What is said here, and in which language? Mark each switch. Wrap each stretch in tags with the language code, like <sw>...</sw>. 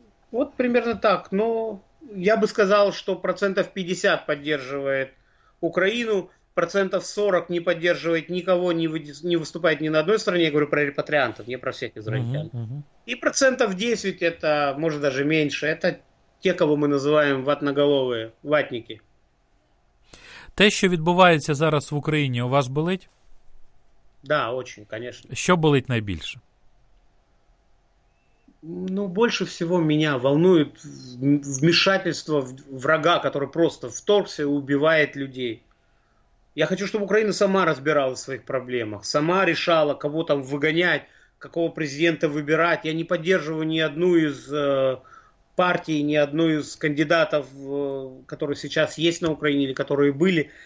<ru>Вот примерно так. Но я бы сказал, что 50% поддерживает Украину, 40% не поддерживает никого, не выступает ни на одной стороне. Я говорю про репатриантов, не про всех израильтян. И 10%, это может даже меньше, это те, кого мы называем ватноголовые, ватники.</ru> <uk>Те, що відбувається зараз в Україні, у вас болить?</uk> <ru>Да, очень, конечно.</ru> <uk>Що болить найбільше?</uk> <ru>Ну, больше всего меня волнует вмешательство врага, который просто вторгся и убивает людей. Я хочу, чтобы Украина сама разбиралась в своих проблемах, сама решала, кого там выгонять, какого президента выбирать. Я не поддерживаю ни одну из партий, ни одну из кандидатов, которые сейчас есть на Украине или которые были.</ru>